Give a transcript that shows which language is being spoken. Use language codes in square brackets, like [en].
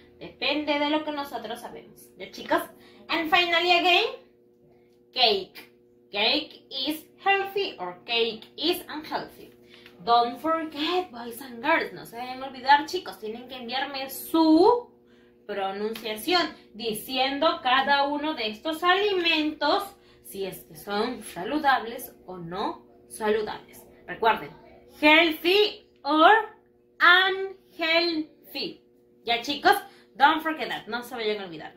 [es] Depende de lo que nosotros sabemos. ¿Ya, chicos? [en] And finally again, cake. Cake is healthy or cake is unhealthy. Don't forget, boys and girls. [es] No se deben olvidar, chicos. Tienen que enviarme su pronunciación diciendo cada uno de estos alimentos si es que son saludables o no saludables. Recuerden, [en] healthy or unhealthy. [es] Ya, chicos, [en] Don't forget that. [es] No se vayan a olvidar.